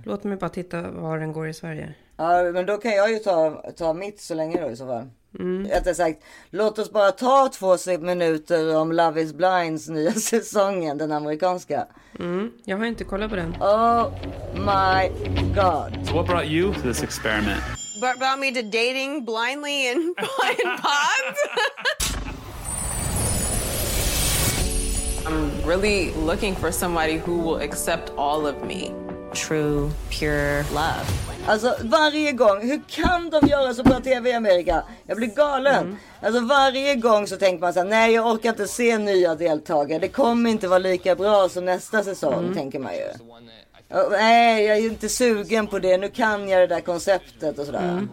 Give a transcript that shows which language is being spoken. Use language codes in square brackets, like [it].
[sv] Låt mig bara titta var den går i Sverige. Ja, men då kan jag ju ta mitt så länge då i så fall. Mm. Sagt, låt oss bara ta 2 minuter om Love is Blinds nya säsongen, den amerikanska. Jag har inte kollat på den. [en] Oh my god. So what brought you to this experiment? What brought me to dating blindly in blind pods? I'm really looking for somebody who will accept all of me. True, pure love. [sv] Alltså varje gång, hur kan de göra så bra tv i Amerika? Jag blir galen. Alltså varje gång så tänker man så här, nej, jag orkar inte se nya deltagare. Det kommer inte vara lika bra som nästa säsong, tänker man ju. Nej, jag är inte sugen på det. Nu kan jag det där konceptet och sådär.